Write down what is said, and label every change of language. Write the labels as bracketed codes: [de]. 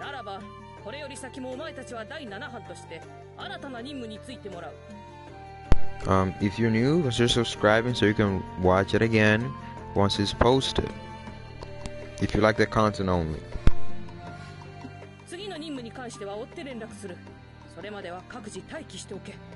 [ja] ならば、これより先もお前たちは第7班として新たな任務についてもらう。 [en] If you're new, consider subscribing so you can watch it again once it's posted. If you like the content only. [ja] 次の任務に関しては追って連絡する。それまでは各自待機しておけ。